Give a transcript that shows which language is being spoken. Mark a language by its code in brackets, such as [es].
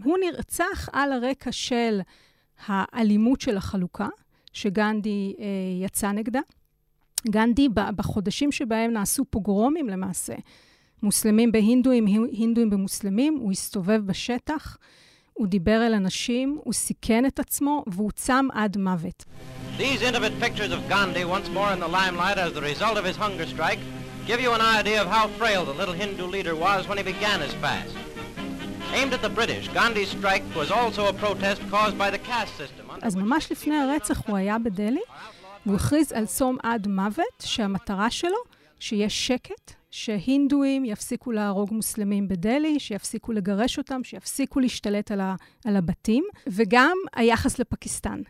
[he] הוא נרצח על הרקע של האלימות של החלוקה, שגנדי יצא נגדה. גנדי בחודשים שבהם נעשו פוגרומים למעשה, מוסלמים בהינדואים, הינדואים במוסלמים, הוא הסתובב בשטח, הוא דיבר אל אנשים, הוא סיכן את עצמו, והוא צם עד מוות. [en] These intimate pictures of Gandhi once more in the limelight as the result of his hunger strike give you an idea of how frail the little Hindu leader was when he began his fast. Aimed at the British, Gandhi's strike was also a protest caused by the caste system. [he] אז ממש לפני הרצח הוא היה בדלי, והוא הכריז על צום עד מוות, שהמטרה שלו, שיש שקט, שהינדואים יפסיקו להרוג מוסלמים בדלי, שיפסיקו לגרש אותם, שיפסיקו להשתלט על הבתים, וגם היחס לפקיסטן.